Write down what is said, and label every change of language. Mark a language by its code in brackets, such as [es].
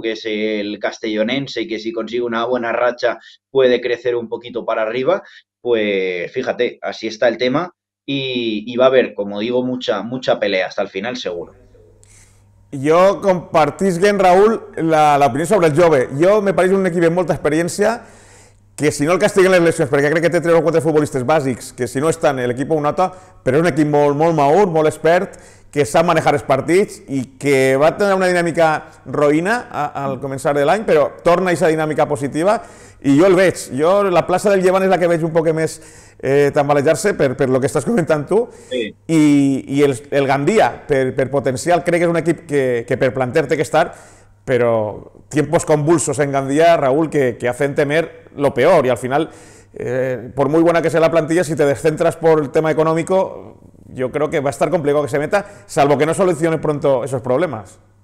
[es] Que es el castellonense, que si consigue una buena racha puede crecer un poquito para arriba. Pues fíjate, así está el tema y va a haber, como digo, mucha, mucha pelea hasta el final, seguro. Yo compartís bien, Raúl, la opinión sobre el Jove. [ca] Yo me parece un equipo de molta experiencia que si no el castiguen les lesiones, porque crec que té 3 o 4 futbolistes bàsics que si no estan el equip ho nota, però és un equip molt, molt maur, molt expert, que sap manejar els partits i que va tenir una dinàmica roïna al començar de l'any, però torna a aquesta dinàmica positiva i jo el veig. Jo la plaça del Llevant és la que veig un poc més tambalejar-se per lo que estàs comentant tu. [es] I el Gandia, per potencial, crec que és un equip que per plantear té que estar, però tiempos convulsos en Gandia, Raúl, que hacen temer lo peor. I al final, por muy buena que sea la plantilla, si te descentras por el tema económico, yo creo que va a estar complicado que se meta, salvo que no solucione pronto esos problemas.